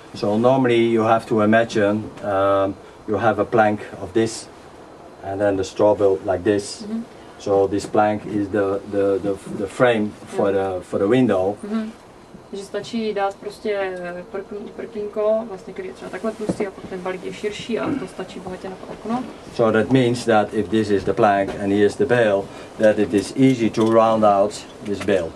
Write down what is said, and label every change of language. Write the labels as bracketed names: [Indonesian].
[English] So normally you have to imagine you have a plank of this, and then the straw built like this. Mm-hmm. So this plank is the frame for the window. [Czech] Mm-hmm. Že stačí dát prostě prklínko, vlastně když je třeba takhle tlustý a pak ten balík je širší a to stačí bohatě na to okno. [English] So that means that if this is the plank and here is the bale, that it is easy to round out this bale.